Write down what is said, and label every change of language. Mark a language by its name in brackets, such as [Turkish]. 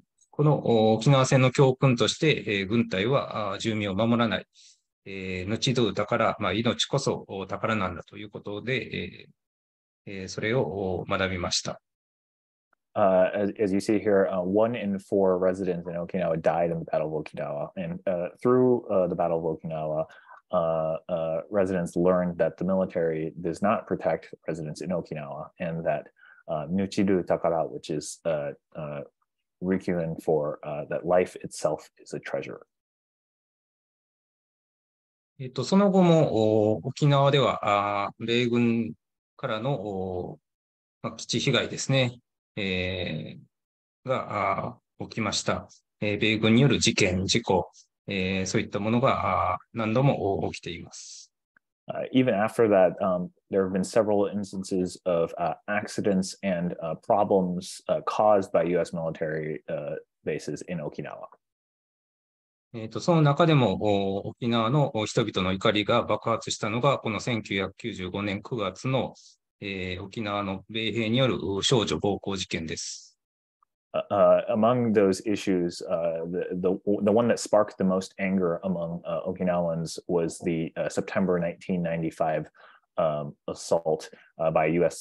[Japanese] この沖縄戦の教訓として、軍隊は住民を守らない。後どう宝、まあ、命こそ宝なんだということで、それを学びました。 [English] As you see here, one in four residents in Okinawa died in the Battle of Okinawa. And through the Battle of Okinawa, residents learned that the military does not protect residents in Okinawa and that Nuchiru Takara, which is Rikuen for that life itself is a treasure. [Japanese] その後も沖縄では米軍からの基地被害ですね。が起きました。米軍による事件、事故、そういったものが何度も起きています。 [English] Even after that, there have been several instances of accidents and problems caused by U.S. military bases in Okinawa. [Japanese] その中でも沖縄の人々の怒りが爆発したのが、この1995年9月の沖縄の米兵による少女暴行事件です。 [English] Among those issues, the one that sparked the most anger among Okinawans was the September 1995 assault by a U.S.